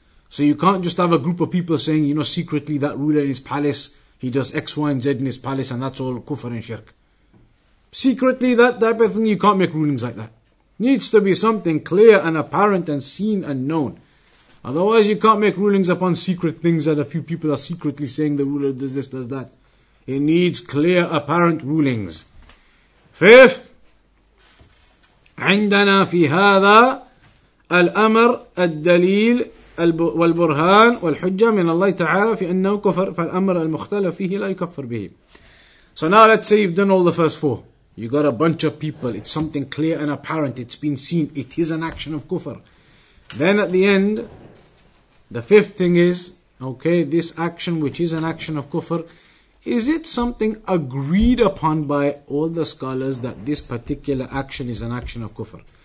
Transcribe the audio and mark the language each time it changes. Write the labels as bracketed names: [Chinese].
[English] So you can't just have a group of people saying, you know, secretly that ruler in his palace, he does X, Y, and Z in his palace, and that's all kufr and shirk. secretly, that type of thing, you can't make rulings like that. Needs to be something clear and apparent and seen and known. Otherwise, you can't make rulings upon secret things that a few people are secretly saying the ruler does this, does that. It needs clear, apparent rulings. Fifth, [Arabic] عندنا في هذا الأمر الدليل والبرهان والحجة من الله تعالى في أنه كفر فالأمر المختلف فيه لا يكفر به. [English] So now let's say you've done all the first four. You got a bunch of people. It's something clear and apparent. It's been seen. It is an action of kufr. Then at the end, the fifth thing is, okay, this action, which is an action of kufr, is it something agreed upon by all the scholars that this particular action is an action of kufr?